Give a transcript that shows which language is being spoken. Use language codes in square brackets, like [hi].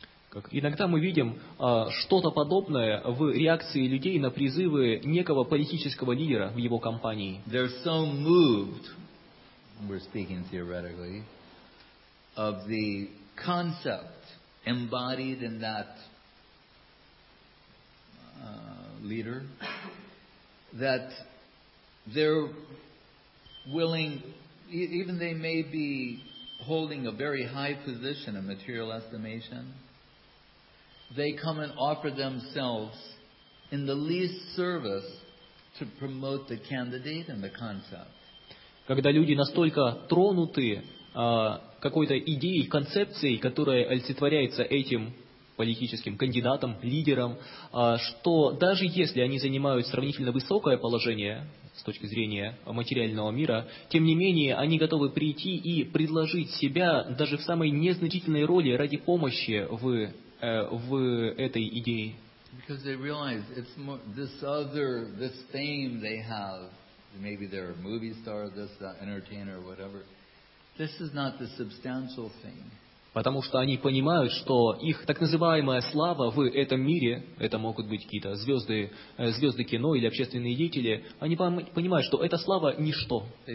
[ru] Как иногда мы видим что-то подобное в реакции людей на призывы некого политического лидера в его кампании. [en] They're so moved, we're speaking theoretically, of the concept embodied in that leader, that they're willing, even they may be holding a very high position in material estimation, they come and offer themselves in the least service to promote the candidate and the concept. [ru] Когда люди настолько тронуты какой-то идеей, концепцией, которая олицетворяется этим политическим кандидатом, лидером, что даже если они занимают сравнительно высокое положение с точки зрения материального мира, тем не менее они готовы прийти и предложить себя даже в самой незначительной роли ради помощи в этой идее. [en] Because they realize it's more, this other, this fame they have, maybe they're a movie star, this, that entertainer, whatever, this is not the substantial thing. [ru] Потому что они понимают, что их так называемая слава в этом мире, это могут быть какие-то звезды кино или общественные деятели, они понимают, что эта слава – ничто.